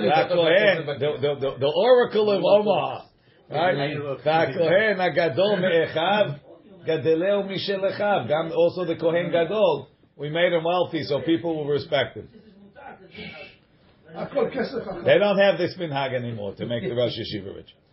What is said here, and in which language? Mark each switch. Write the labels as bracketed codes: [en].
[he] והכהן, [en] the oracle of Omaha. [he] והכהן הגדול מאחיו, גדלהו משל אחיו. [en] גם, also the כהן גדול. We made him wealthy, so people will respect him. They don't have this minhag anymore to make the Rosh Yeshiva rich.